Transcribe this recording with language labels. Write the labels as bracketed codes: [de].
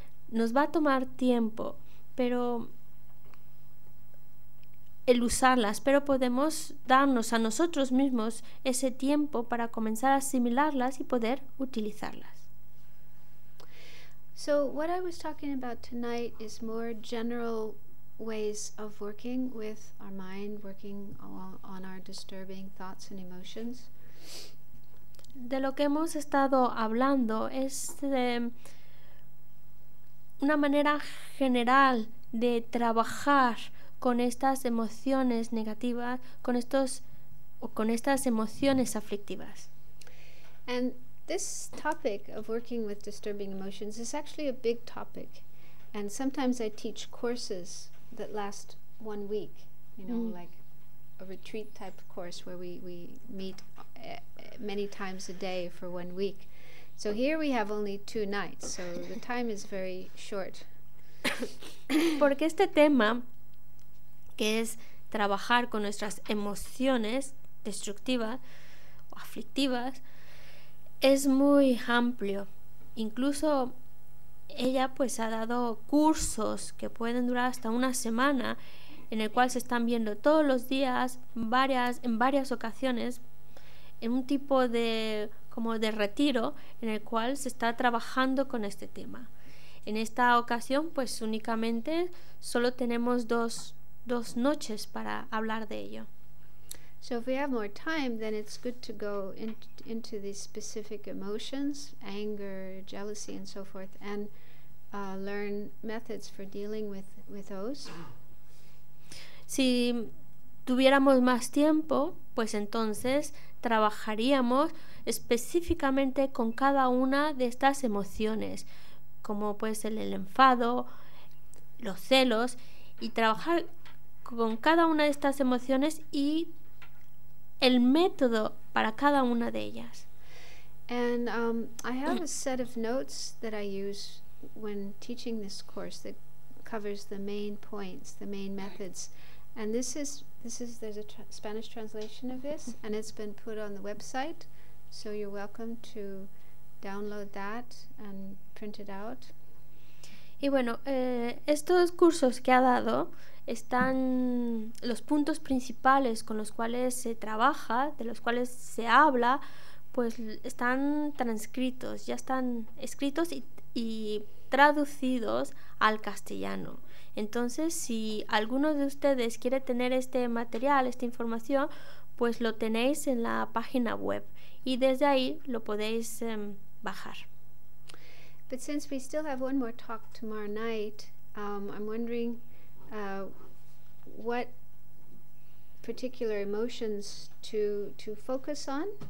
[es] Nos va a tomar tiempo, pero el usarlas, pero podemos darnos a nosotros mismos ese tiempo para comenzar a asimilarlas y poder utilizarlas. [en] So what I was talking about tonight is more general ways of working with our mind, working on our disturbing thoughts and emotions. [es] De lo que hemos estado hablando es una manera general de trabajar con estas emociones negativas, con estos o con estas emociones aflictivas. [en] And this topic of working with disturbing emotions is actually a big topic, and sometimes I teach courses that last 1 week, like a retreat type course where we meet many times a day for 1 week. So here we have only 2 nights, so the time is very short. [es] Porque este tema, que es trabajar con nuestras emociones destructivas o aflictivas, es muy amplio. Incluso ella pues ha dado cursos que pueden durar hasta una semana, en el cual se están viendo todos los días en varias ocasiones, en un tipo de como de retiro en el cual se está trabajando con este tema. En esta ocasión pues únicamente solo tenemos dos noches para hablar de ello. [en] So if we have more time, then it's good to go into these specific emotions, anger, jealousy, and so forth, and learn methods for dealing with those. [es] Si tuviéramos más tiempo, pues entonces trabajaríamos específicamente con cada una de estas emociones, como puede ser el enfado, los celos, y trabajar con cada una de estas emociones y el método para cada una de ellas. [en] And I have a set of notes that I use when teaching this course that covers the main points, the main methods. And this is there's a Spanish translation of this, and it's been put on the website, so you're welcome to download that and print it out. [es] Y bueno, estos cursos que ha dado están los puntos principales con los cuales se trabaja, de los cuales se habla, pues están transcritos, ya están escritos y traducidos al castellano. Entonces, si alguno de ustedes quiere tener este material, esta información, pues lo tenéis en la página web y desde ahí lo podéis bajar. [en] But since we still have one more talk tomorrow night, I'm wondering what particular emotions to focus on.